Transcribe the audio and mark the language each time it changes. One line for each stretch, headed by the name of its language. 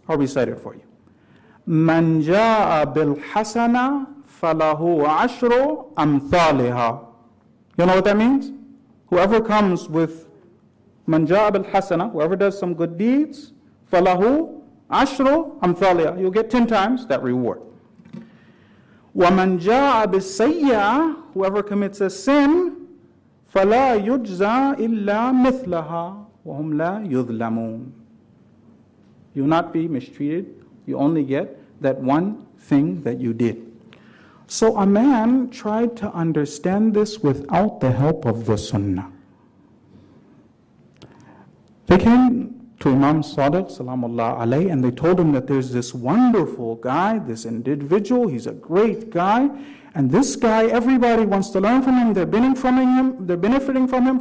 English: I'll recite it for you.
Arabic: مَنْ جَاءَ بِالْحَسَنَ فَلَهُ عَشْرُ أَمْثَالِهَا.
English: You know what that means? Whoever comes with
Arabic: مَنْ جَاءَ بِالْحَسَنَ,
English: whoever does some good deeds,
Arabic: فَلَهُ عَشْرُ أَمْثَالِهَا.
English: You'll get 10 times that reward.
Arabic: وَمَنْ جَاءَ بِالسَّيِّئَةَ,
English: whoever commits a sin,
Arabic: فَلَا يُجْزَى إِلَّا مِثْلَهَا وَهُمْ لَا يُظْلَمُونَ.
English: You'll not be mistreated. You only get that one thing that you did. So a man tried to understand this without the help of the Sunnah. They came to Imam Sadiq, salamullah alayhi, and they told him that there's this wonderful guy, this individual, he's a great guy, and this guy, everybody wants to learn from him, they're benefiting from him.